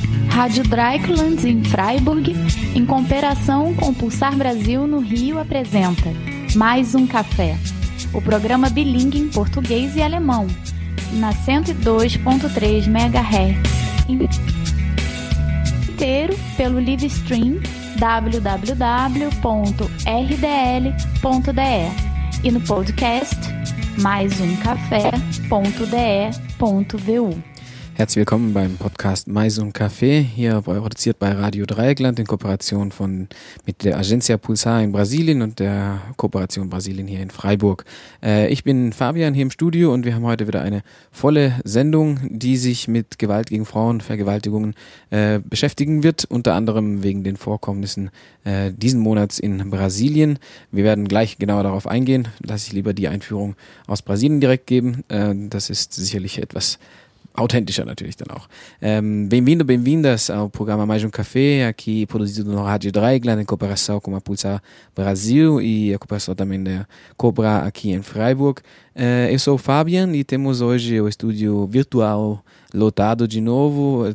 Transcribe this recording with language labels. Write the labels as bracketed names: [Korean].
[Portuguese] Rádio Dreieckland em Freiburg, em cooperação com Pulsar Brasil no Rio, apresenta Mais um Café, o programa bilíngue em português e alemão, na 102.3 MHz, inteiro pelo live stream www.rdl.de e no podcast maisumcafé.de.vu. [German] Herzlich willkommen beim Podcast Mais um Café, hier produziert bei Radio Dreieckland in Kooperation mit der Agência Pulsar in Brasilien und der Kooperation Brasilien hier in Freiburg. Ich bin Fabian hier im Studio und wir haben heute wieder eine volle Sendung, die sich mit Gewalt gegen Frauen, Vergewaltigungen beschäftigen wird, unter anderem wegen den Vorkommnissen diesen Monats in Brasilien. Wir werden gleich genauer darauf eingehen, lasse ich lieber die Einführung aus Brasilien direkt geben. Das ist sicherlich etwas authentischer natürlich dann auch. [Portuguese] Bem-vindo, bem-vindas ao programa Mais um Café, aqui produzido no Rádio Dreieckland, em cooperação com a Pulsar Brasil e a cooperação também da Cobra aqui em Freiburg. Eu sou o Fabian e temos hoje o estúdio virtual lotado de novo.